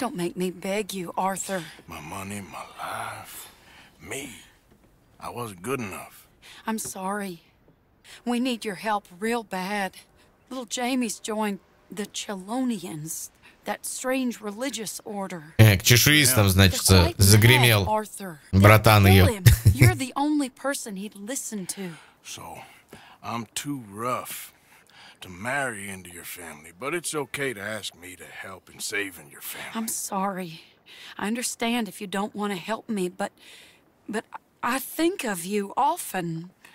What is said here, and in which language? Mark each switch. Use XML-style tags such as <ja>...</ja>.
<en>Don't make me beg you, Arthur. My money, my life, me. I wasn't good enough. I'm sorry. We need your help real bad. Little Jamie's joined the Chelonians, that strange religious order.</en> <ru>К чешуистам, значит, загремел братан ее.</ru> <en>You're the only person he'd listen to. So, I'm too rough to marry into your family, but it's okay to ask me to help in saving your family. I'm sorry. I understand if you don't want to help me, but I think of you often.</en>